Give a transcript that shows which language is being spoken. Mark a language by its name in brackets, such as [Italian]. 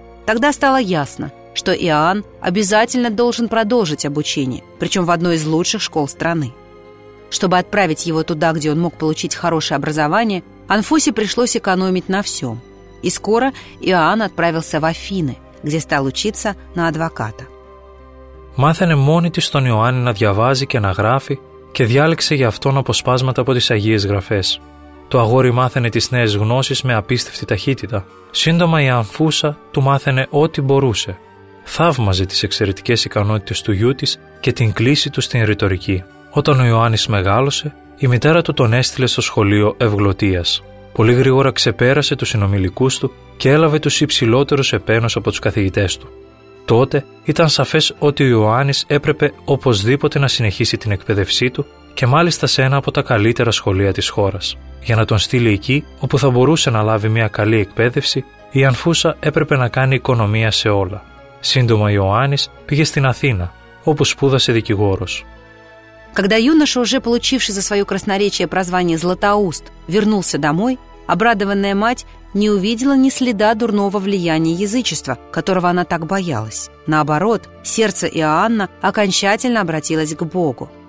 [Russian] Тогда стало ясно, что Иоанн обязательно должен продолжить обучение, причем в одной из лучших школ страны. Чтобы отправить его туда, где он мог получить хорошее образование, Анфусе пришлось экономить на всем. И скоро Иоанн отправился в Афины, где стал учиться на адвоката. [Greek] Μάθαινε μόνη της τον Ιωάννη να διαβάζει και να γράφει και διάλεξε για αυτόν αποσπάσματα από τις Αγίες Γραφές. Το αγόρι μάθαινε τις νέες γνώσεις με απίστευτη ταχύτητα. Σύντομα η Ανφούσα του μάθαινε ό,τι μπορούσε. Θαύμαζε τις εξαιρετικές ικανότητες του γιού της και την κλίση του στην ρητορική. Όταν ο Ιωάννης μεγάλωσε, η μητέρα του τον έστειλε στο σχολείο Ευγλωτίας. Πολύ γρήγορα ξεπέρασε τους συνομιλικούς του και έλαβε τους υψηλότερους επένους από τους καθηγητές του. Τότε ήταν σαφές ότι ο Ιωάννης έπρεπε οπωσδήποτε να συνεχίσει την εκπαίδευσή του και μάλιστα σε ένα από τα καλύτερα σχολεία της χώρας. Για να τον στείλει εκεί, όπου θα μπορούσε να λάβει μια καλή εκπαίδευση, η Ανφούσα έπρεπε να κάνει οικονομία σε όλα. Σύντομα, ο Ιωάννης πήγε στην Αθήνα, όπου σπούδασε δικηγόρος. [Russian] Когда юноша, уже получивший за свое красноречие прозвание Златоуст, вернулся домой, обрадованная мать не увидела ни следа дурного влияния язычества, которого она так боялась. Наоборот, сердце Иоанна окончательно обратилось к Богу.